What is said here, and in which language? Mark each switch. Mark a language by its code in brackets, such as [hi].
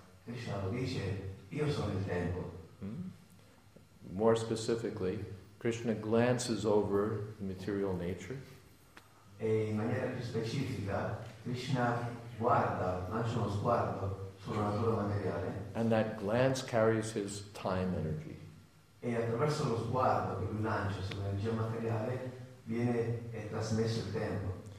[it] Krishna dice, io sono il tempo. [en] More specifically, Krishna glances over the material nature. [it] E in maniera più specifica, Krishna guarda, lancia uno sguardo sulla natura materiale. [en] And that glance carries his time energy. [it] E attraverso lo sguardo che lui lancia sulla energia materiale viene e trasmesso il tempo.